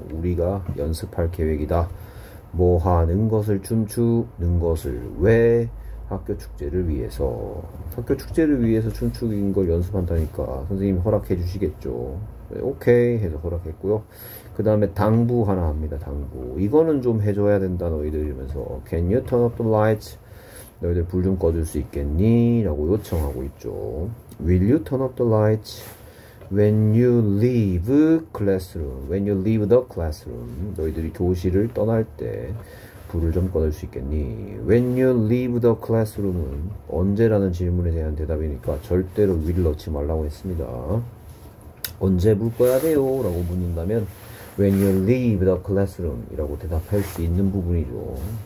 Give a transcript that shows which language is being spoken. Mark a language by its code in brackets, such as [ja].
[ko] 우리가 연습할 계획이다. 뭐 하는 것을 춤추는 것을 왜 학교 축제를 위해서 학교 축제를 위해서 춤추는 걸 연습한다니까 선생님이 허락해 주시겠죠. 오케이 해서 허락했고요. 그 다음에 당부 하나 합니다. 당부. 이거는 좀 해줘야 된다 너희들 이러면서 [en] Can you turn off the lights? [ko] 너희들 불좀 꺼줄 수 있겠니? 라고 요청하고 있죠. [en] Will you turn off the lights when you leave classroom? When you leave the classroom? [ko] 너희들이 교실을 떠날 때 불을 좀 꺼줄 수 있겠니? [en] When you leave the classroom [ko] 은 언제라는 질문에 대한 대답이니까 절대로 will 넣지 말라고 했습니다. 언제 불 꺼야 돼요? 라고 묻는다면 [en] When you leave the classroom [ko] 이라고 대답할 수 있는 부분이죠.